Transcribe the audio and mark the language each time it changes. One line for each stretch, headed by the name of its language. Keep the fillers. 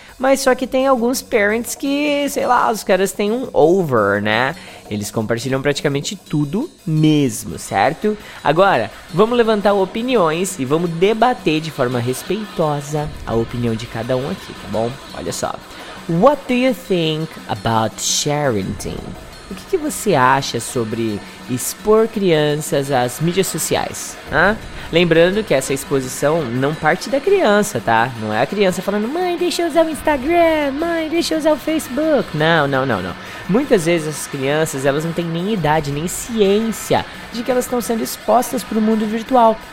Portuguese: Mas só que tem alguns parents que, sei lá, os caras têm um over, né? Eles compartilham praticamente tudo mesmo, certo? Agora, vamos levantar opiniões e vamos debater de forma respeitosa a opinião de cada um aqui, tá bom? Olha só.
English: What do you think about sharenting?
Portuguese: O que, que você acha sobre expor crianças às mídias sociais? hã? Lembrando que essa exposição não parte da criança, tá? Não é a criança falando, mãe, deixa eu usar o Instagram, mãe, deixa eu usar o Facebook. Não, não, não, não. Muitas vezes essas crianças, elas não têm nem idade, nem ciência de que elas estão sendo expostas para o mundo virtual.